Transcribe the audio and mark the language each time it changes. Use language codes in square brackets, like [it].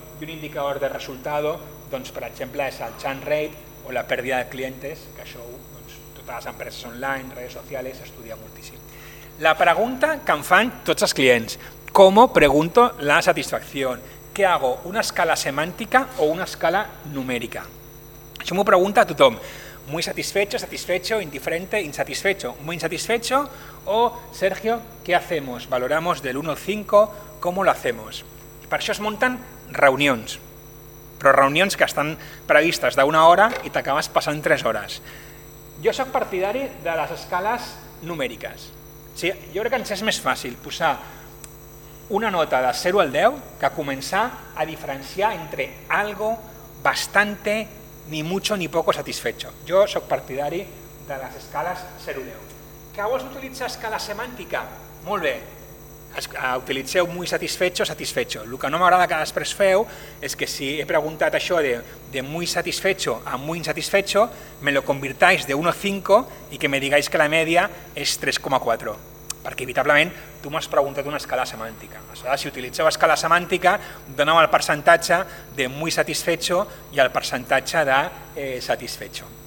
[ca] i un indicador de resultado, doncs, per exemple, és el churn rate o la pèrdua de clientes, que això doncs, totes les empreses online, redes socials, estudia moltíssim. La pregunta que em fan tots els clients, com pregunto la satisfacció? Què hago, una escala semàntica o una escala numèrica? Això m'ho pregunta a tothom. [es] Muy satisfecho, satisfecho, indiferente, insatisfecho. Muy insatisfecho o, Sergio, ¿qué hacemos? Valoramos del 1 al 5, ¿cómo lo hacemos? [ca] Per això es munten reunions, però reunions que estan previstes d'una hora i t'acabes passant 3 hores. Jo sóc partidari de les escales numèriques. Sí, jo crec que ens és més fàcil posar una nota de 0 al 10 que començar a diferenciar entre [es] algo bastante, ni mucho ni poco satisfecho. [ca] Jo sóc partidari de les escales 0-10. Que vols utilitzar escala semàntica? Molt bé. Utilitzeu [es] muy satisfecho, satisfecho. [ca] El que no m'agrada que després feu és que si he preguntat això de [es] muy satisfecho a muy insatisfecho, me lo convirtáis de 1-5 [ca] i que [es] me digáis que la media [ca] és 3,4. Perquè, evitablement, tu m'has preguntat una escala semàntica. Aleshores, si utilitzeu escala semàntica, doneu el percentatge de [es] muy satisfecho [ca] i el percentatge de satisfecho.